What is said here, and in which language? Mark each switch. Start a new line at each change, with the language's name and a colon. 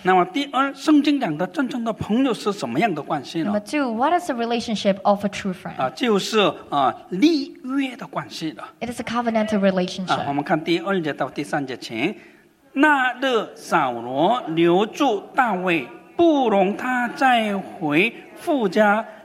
Chinese: 那么第二，圣经讲的真正的朋友是什么样的关系呢？
English: Number two, what is the relationship of a true friend?
Chinese: 就是立约的关系了。
English: It is a covenantal relationship.
Chinese: 我们看第二节到第三节，请。那日扫罗留住大卫，不容他再回父家。